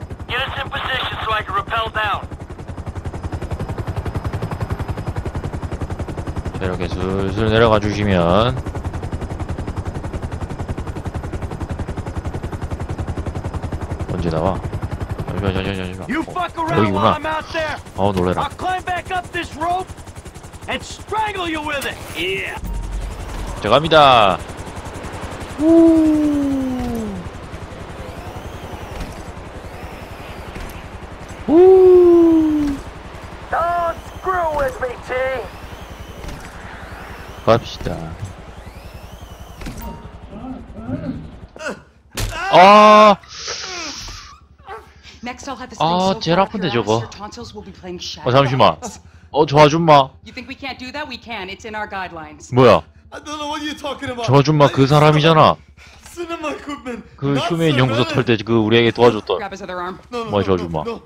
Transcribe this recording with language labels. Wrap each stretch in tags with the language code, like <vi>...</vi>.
<en>Get us in position so I can rappel down.</en> <ko>자, 이렇게 슬슬 내려가 주시면 언제 나와? 여기구나. 어우 놀래라.</ko> <en>I'll climb back up this rope and strangle you with it. Yeah.</en> <ko>자 갑니다. 우. 우.</ko> <en>Don't screw with me, T.</en> <ko>갑시다. 아.</ko> <en>Next I'll have this.</en> <ko>아, 제일 아픈데 저거. 어 잠시만. 어 저 아줌마.</ko> <en>You think we can't do that? We can. It's in our guidelines.</en> <ko>뭐야?</ko> <en>I don't know what you're talking about.</en> <ko>저 아줌마 그 사람이잖아. 그 휴메인 연구소 털 때 그 우리에게 도와줬던 뭐야 저 아줌마.</ko>